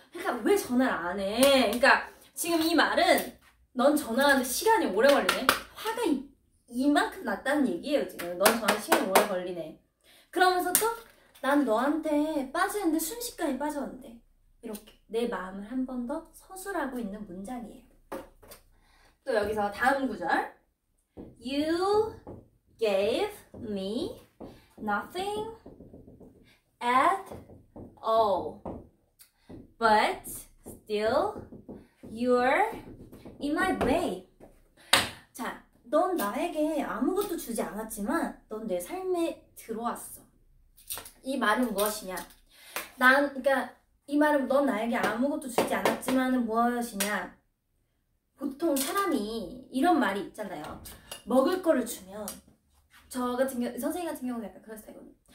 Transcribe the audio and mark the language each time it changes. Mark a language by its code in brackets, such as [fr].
[ko] 그러니까 왜 전화를 안 해. 그러니까 지금 이 말은 넌 전화하는 시간이 오래 걸리네. 화가 이만큼 났다는 얘기예요 지금. 넌 전화하는 시간이 오래 걸리네. 그러면서 또 난 너한테 빠지는데 순식간에 빠졌는데 이렇게 내 마음을 한 번 더 서술하고 있는 문장이에요. 또 여기서 다음 구절. [en] You gave me nothing at all, but still you're in my way. [ko] 자, 넌 나에게 아무것도 주지 않았지만 넌 내 삶에 들어왔어. 이 말은 무엇이냐? 난, 그러니까 이 말은 넌 나에게 아무것도 주지 않았지만은 무엇이냐? 보통 사람이 이런 말이 있잖아요. 먹을 거를 주면 저 같은 경우, 선생님 같은 경우는 약간 그랬어요. 이거는.